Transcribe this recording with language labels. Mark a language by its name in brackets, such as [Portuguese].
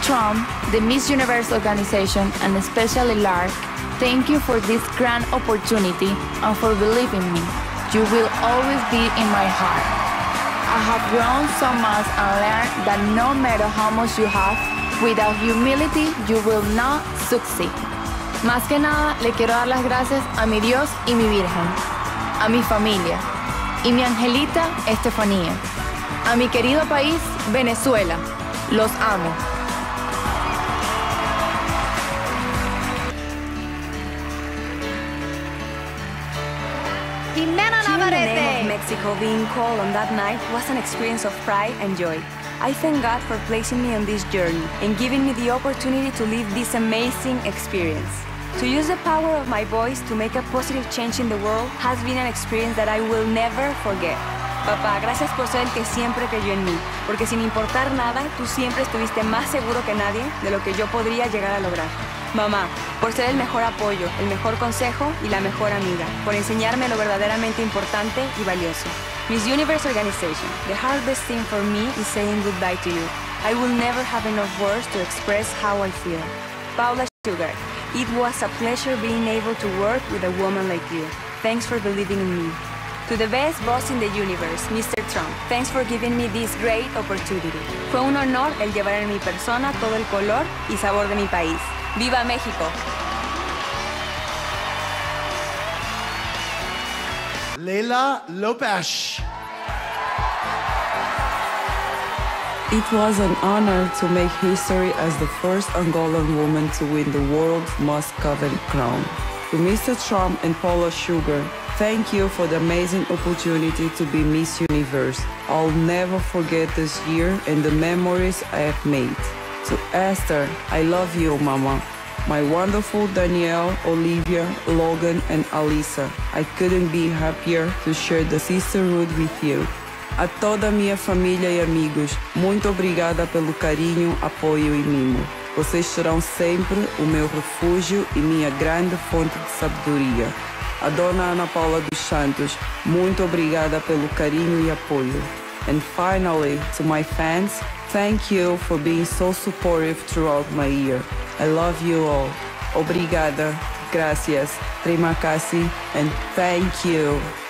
[English] Trump, the Miss Universe organization, and especially Lark, thank you for this grand opportunity and for believing me. You will always be in my heart. I have grown so much and learned that no matter how much you have, without humility, you will not succeed. [Spanish] Más que nada, le quiero dar las gracias a mi Dios y mi Virgen, a mi familia, y mi angelita, Estefanía, a mi querido país, Venezuela. Los amo. Jimena Navarrete. [English] The name of Mexico being called on that night was an experience of pride and joy. I thank God for placing me on this journey and giving me the opportunity to live this amazing experience. To use the power of my voice to make a positive change in the world has been an experience that I will never forget. [Spanish] Papá, gracias por ser el que siempre creyó en mí, porque sin importar nada, tú siempre estuviste más seguro que nadie de lo que yo podría llegar a lograr. Mamá, por ser el mejor apoyo, el mejor consejo y la mejor amiga, por enseñarme lo verdaderamente importante y valioso. [English] Miss Universe Organization, the hardest thing for me is saying goodbye to you. I will never have enough words to express how I feel. Paula Sugar, it was a pleasure being able to work with a woman like you. Thanks for believing in me. To the best boss in the universe, Mr. Trump, thanks for giving me this great opportunity. [Spanish] Fue un honor el llevar en mi persona todo el color y sabor de mi país. ¡Viva México! Leila Lopez. [English] It was an honor to make history as the first Angolan woman to win the world's most coveted crown. To Mr. Trump and Paula Sugar, thank you for the amazing opportunity to be Miss Universe. I'll never forget this year and the memories I have made. To Esther, I love you, Mama. My wonderful Danielle, Olivia, Logan, and Alisa. I couldn't be happier to share the sisterhood with you. [Portuguese] A toda minha família e amigos, muito obrigada pelo carinho, apoio e mimo. Vocês serão sempre o meu refúgio e minha grande fonte de sabedoria. A dona Ana Paula dos Santos, muito obrigada pelo carinho e apoio. [English] And finally, to my fans, thank you for being so supportive throughout my year. I love you all. Obrigada, gracias, prima casi, and thank you.